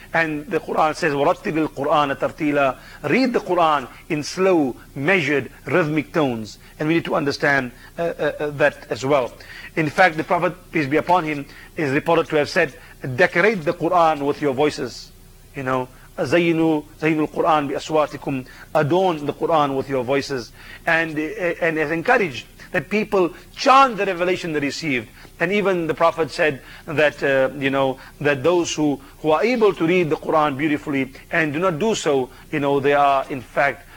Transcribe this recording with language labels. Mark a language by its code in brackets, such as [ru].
[en] And the Quran says, [ar] وَرَتِّلِ الْقُرْآنَ تَرْتِيلًا. [en] Read the Quran in slow, measured, rhythmic tones. And we need to understand that as well. In fact, the Prophet, peace be upon him, is reported to have said, decorate the Quran with your voices. You know, [ar] زَيِّنُوا الْقُرْآنَ بِأَصْوَاتِكُمْ. [en] Adorn the Quran with your voices. And has encouraged that people chant the revelation they received. And even the Prophet said that, you know, that those who are able to read the Quran beautifully and do not do so, you know, they are in fact